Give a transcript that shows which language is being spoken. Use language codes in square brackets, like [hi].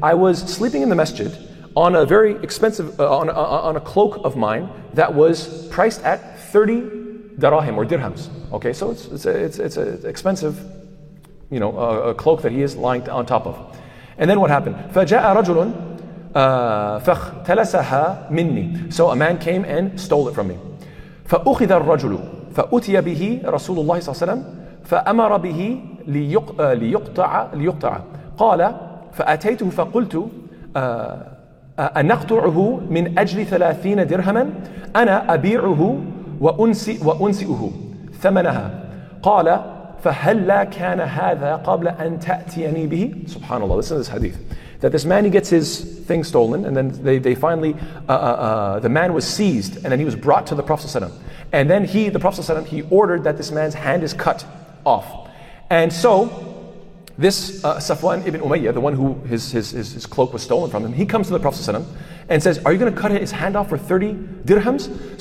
[en] I was sleeping in the masjid on a very expensive, on a cloak of mine that was priced at 30 darahim or dirhams. Okay, so it's an expensive, you know, a cloak that he is lying on top of. And then what happened? [ar] فَجَاءَ رَجُلٌ فَاخْتَلَسَهَا مِنِّي. [en] So a man came and stole it from me. [ar] فَأُخِذَ الرَّجُلُ فَأُتِيَ بِهِ رَسُولُ اللَّهِ صَلَّى اللَّهُ عَلَيْهِ وَسَلَّمَ فأمر به ليقطع قال فأتيته فقلت أنقطعه من أجل 30 درهما أنا أبيعه وأنسئه ثمنها قال فهل لا كان هذا قبل أن تأتيني به. [en] Subhanallah, listen to this hadith. That this man, he gets his thing stolen, and then they finally, the man was seized, and then he was brought to the Prophet ﷺ. And then the Prophet ﷺ, he ordered that this man's hand is cut off. And so this Safwan ibn Umayyah, the one who his cloak was stolen from him, he comes to the Prophet ﷺ and says, are you going to cut his hand off for 30 dirhams?